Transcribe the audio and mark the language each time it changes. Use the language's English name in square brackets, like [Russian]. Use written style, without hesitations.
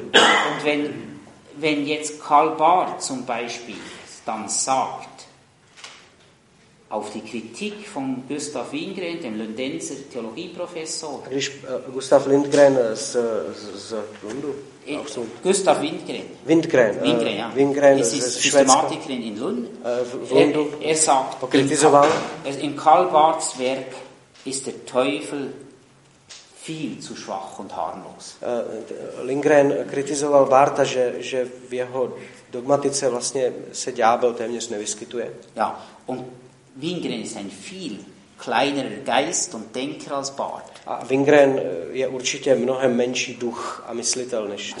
[German] Und wenn jetzt Karl Barth zum Beispiel dann sagt, auf die Kritik von Gustav Lindgren, dem Lundenser Theologieprofessor. [Czech] Když Gustav Lindgren z Lundu. [German] Gustav Windgren. Windgren, ja. Windgren es ist Systematiker in Lund. Er sagt, in Karl Barths Werk ist der Teufel viel zu schwach und harmlos. [Czech] Lindgren kritisoval Bartha, že v jeho dogmatice vlastně se ďábel téměř nevyskytuje. [German] Ja, und Windgren ist ein viel kleinerer Geist und Denker als Barth. [Czech] A Lindgren je určitě mnohem menší duch a myslitel než